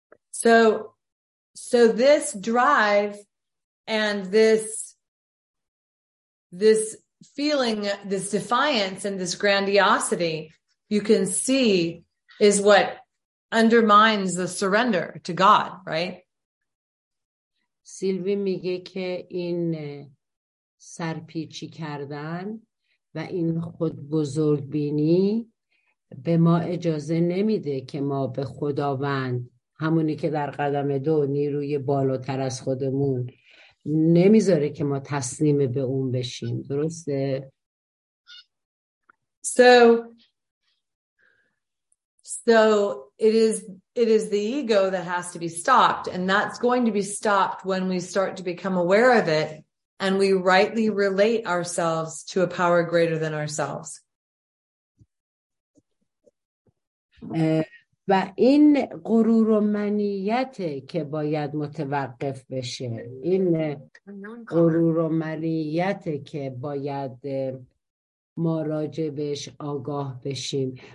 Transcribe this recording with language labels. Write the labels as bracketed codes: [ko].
[en] So this drive and this feeling, this defiance and this grandiosity, you can see is what undermines the surrender to God, right? [fa] سیلوی میگه که این سرپیچی کردن و این خود بزرگ بینی به ما اجازه نمیده که ما به خداوند، همونی که در قدم دو نیروی بالاتر از خودمون، نمیذاره که ما تسلیم به اون بشیم. درسته؟ [en] So it is the ego that has to be stopped, and that's going to be stopped when we start to become aware of it and we rightly relate ourselves to a power greater than ourselves. [fa] و این غرور و منیته که باید متوقف بشه. این غرور و منیته که باید ما راجع بهش آگاه بشیم.